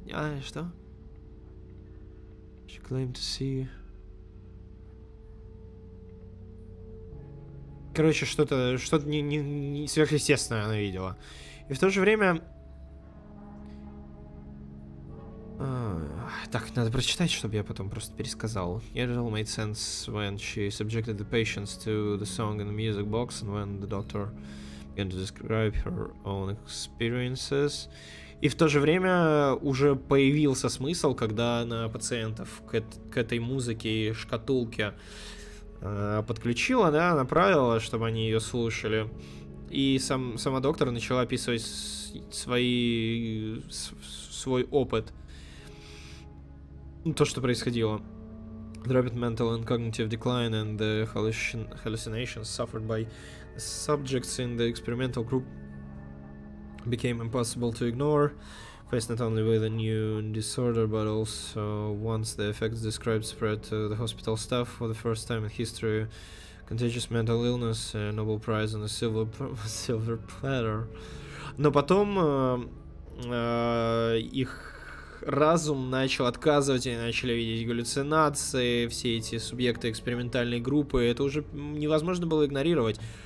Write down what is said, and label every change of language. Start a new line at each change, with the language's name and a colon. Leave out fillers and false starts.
Russian: А, что?
English: She claimed to see...
Russian: Короче, что-то не сверхъестественное она видела. И в то же время... Так, надо прочитать, чтобы я потом просто пересказал.
English: It all made sense when she subjected the patients to the song in the music box, and when the doctor began to describe her own experiences.
Russian: И в то же время уже появился смысл, когда она пациентов к этой музыке и шкатулке подключила, да, направила, чтобы они ее слушали. И сама доктор начала описывать свой опыт. То, что происходило.
English: The rapid mental and cognitive decline and the hallucinations suffered by subjects in the experimental group became impossible to ignore, faced not only with a new disorder, but also once the effects described spread to the hospital staff for the first time in history, contagious mental illness, a Nobel Prize and a silver platter.
Russian: Но потом их разум начал отказывать, они начали видеть галлюцинации, все эти субъекты экспериментальной группы, это уже невозможно было игнорировать.